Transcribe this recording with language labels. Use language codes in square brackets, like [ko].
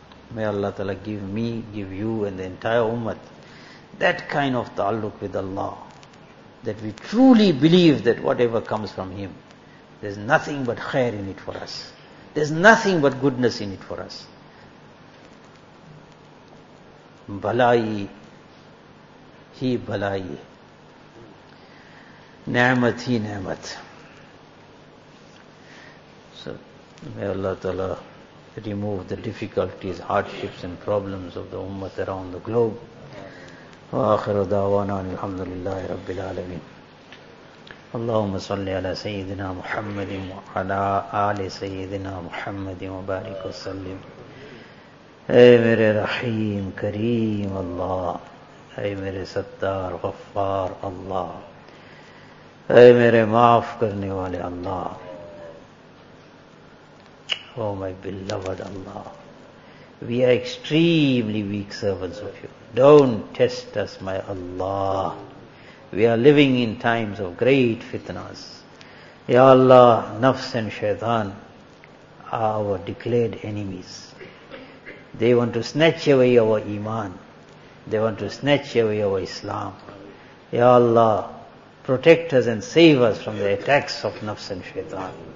[en] May Allah Ta'ala give me, give you and the entire ummah that kind of ta'alluq with Allah, that we truly believe that whatever comes from Him, there's nothing but khair in it for us. There's nothing but goodness in it for us. [ur] بلائی ہی بلائی نعمت ہی نعمت. [en] So may Allah Ta'ala remove the difficulties, hardships and problems of the ummah around the globe. [ar] وآخر دعوانا الحمد لله رب العالمين. اللهم صل على سيدنا محمد وعلى آل سيدنا محمد وبارك وسلم. [ur] اے میرے رحیم کریم اللہ, اے میرے ستار غفار اللہ, اے میرے معاف کرنے والے اللہ. [en] O my beloved Allah, we are extremely weak servants of you. Don't test us my Allah, We are living in times of great fitnas. Ya Allah, nafs and shaitan are our declared enemies. They want to snatch away our iman. They want to snatch away our Islam. Ya Allah, protect us and save us from the attacks of nafs and shaitan.